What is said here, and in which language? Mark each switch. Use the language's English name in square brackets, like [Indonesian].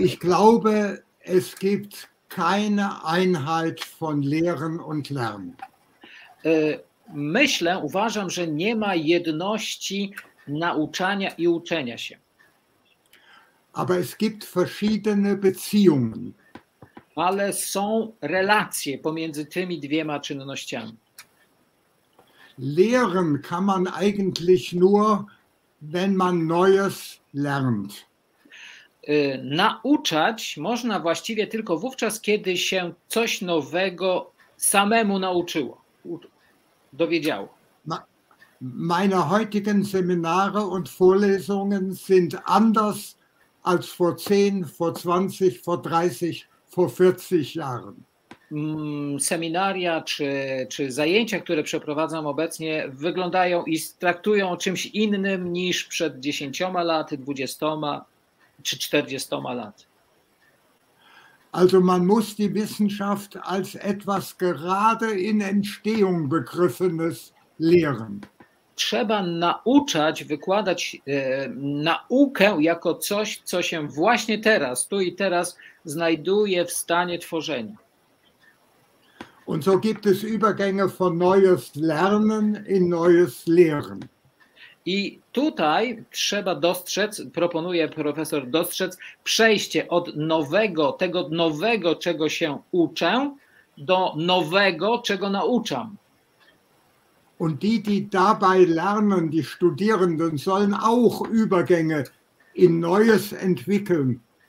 [German] Ich glaube, es gibt keine Einheit von Lehren und Lernen. [Polish] Myślę, uważam, że nie ma jedności nauczania i uczenia się. [German] Aber es gibt verschiedene Beziehungen. [Polish] Ale są relacje pomiędzy tymi dwiema czynnościami. [German] Lehren kann man eigentlich nur, wenn man Neues lernt. [Polish] Nauczać można właściwie tylko wówczas, kiedy się coś nowego samemu nauczyło, dowiedziało. [German] Meine heutigen Seminare und Vorlesungen sind anders als vor 10, vor 20, vor 30, vor 40 Jahren. [Polish] Seminaria czy zajęcia, które przeprowadzam obecnie, wyglądają i traktują o czymś innym niż przed 10 laty, 20. czy 40 lat. [German] Also man muss die Wissenschaft als etwas gerade in Entstehung begriffenes lehren. [Polish] Trzeba nauczać, wykładać naukę jako coś, co się właśnie teraz, tu i teraz znajduje w stanie tworzenia. [German] Und so gibt es Übergänge von neues Lernen in neues Lehren. [Polish] I tutaj trzeba dostrzec, proponuje profesor dostrzec, przejście od nowego, tego nowego, czego się uczę, do nowego, czego nauczam. [German] Und die, die dabei lernen, die Studierenden, sollen auch Übergänge in Neues entwickeln.